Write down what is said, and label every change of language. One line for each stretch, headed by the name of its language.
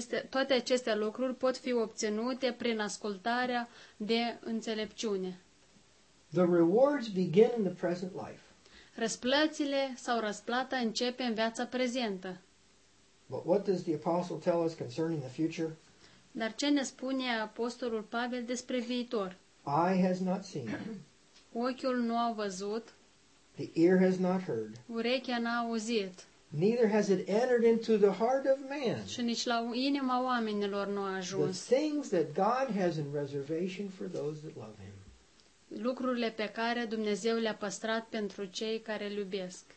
Romanian: Toate aceste lucruri pot fi obținute prin ascultarea de înțelepciune.
English: The rewards begin in the present life.
Romanian: Răsplățile sau răsplata începe în viața prezentă.
English: But what does the apostle tell us concerning the future?
Romanian: Dar ce ne spune apostolul Pavel despre viitor?
English: Eye has not seen.
Romanian: Ochiul nu a văzut.
English: The ear has not heard.
Romanian: Urechea n-a auzit.
English: Neither has it entered into the heart of man.
Romanian: Și nici la inima oamenilor nu a ajuns.
English: The things that God has in reservation for those that love him.
Romanian: Lucrurile pe care Dumnezeu le-a păstrat pentru cei care îl iubesc.